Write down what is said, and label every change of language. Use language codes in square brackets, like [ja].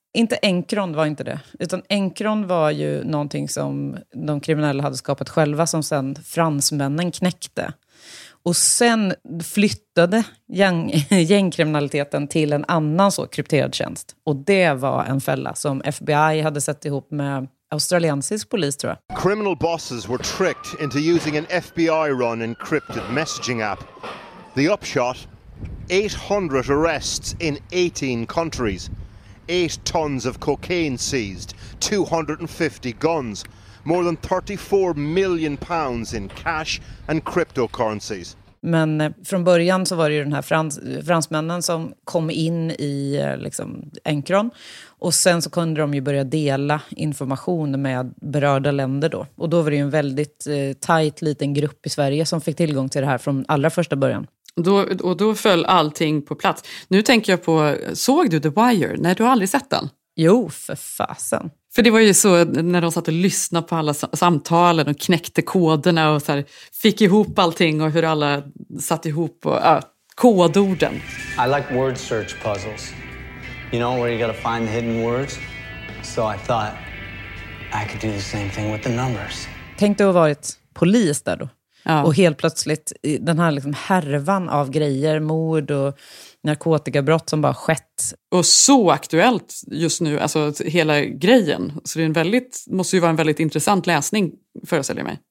[sv] Inte Encron var inte det. Utan Encron var ju någonting som de kriminella hade skapat själva, som sen fransmännen knäckte. Och sen flyttade gängkriminaliteten till en annan så krypterad tjänst. Och det var en fälla som FBI hade sett ihop med... australiensisk polis, tror jag. [en] Criminal bosses were tricked into using an FBI-run encrypted messaging app. The upshot, 800 arrests in 18 countries. 8 tons of cocaine seized, 250 guns, more than 34 million pounds in cash and cryptocurrencies. [sv] Men från början så var det ju den här fransmännen som kom in i liksom Encron. Och sen så kunde de ju börja dela information med berörda länder då. Och då var det ju en väldigt tajt liten grupp i Sverige som fick tillgång till det här från allra första början. Och då föll allting på plats. Nu tänker jag på, såg du The Wire? Nej, du har aldrig sett den. Jo, för fasen. För det var ju så, när de satt och lyssnade på alla samtalen och knäckte koderna och så här, fick ihop allting och hur alla satt ihop och, kodorden. [en] I like word search puzzles. You know where you gotta find the hidden words? So I thought I could do the same thing with the numbers. [sv] Tänk dig att ha varit polis där då. Ja. Och helt plötsligt, den här liksom härvan av grejer, mord och narkotikabrott som bara skett. Och så aktuellt just nu, alltså hela grejen. Så det är måste ju vara en väldigt intressant läsning, föreställer mig.